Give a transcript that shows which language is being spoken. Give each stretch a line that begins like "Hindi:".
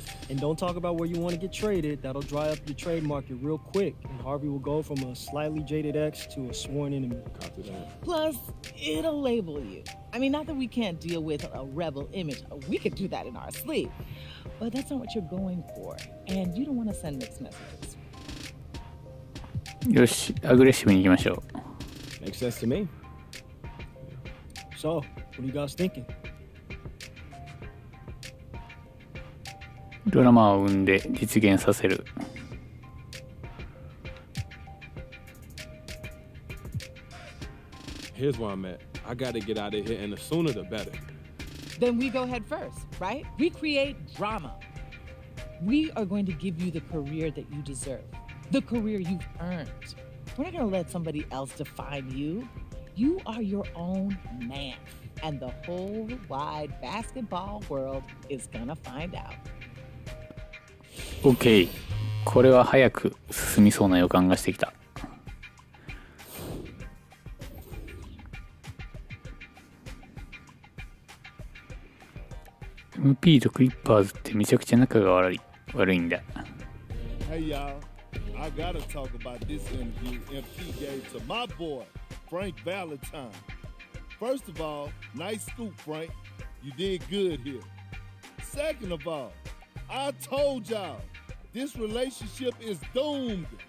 English: And don't talk about where you want to get traded. That'll dry up your trade market real quick. And Harvey will go from a slightly jaded ex to a sworn enemy. Copy that. Plus, it'll label you. I mean, not that we can't deal with a rebel image. We could do that in our sleep. But that's not what you're going for. And you don't want to send mixed messages.
Japanese: よし、アグレッシブに行きましょう。
English: Makes sense to me. So, what are you guys thinking?
Japanese: ドラマを生んで実現させる。
English: Here's where I'm at. I gotta get out of here, and the sooner the better. Then we go head first, right? We create drama. We are going to give you the career that you deserve, the career you've earned. We're not gonna let somebody else define you. You are your own man, and the whole wide basketball world is gonna find out.
Japanese: OK、これは早く進みそうな予感がしてきた。 MP とクリッパーズってめちゃくちゃ仲が悪いんだ。
English: Hey y'all, I gotta talk about this interview MP gave to my boy, Frank Valentine. First of all, nice scoop, Frank. You did good here. Second of all, I told y'all. This relationship is doomed.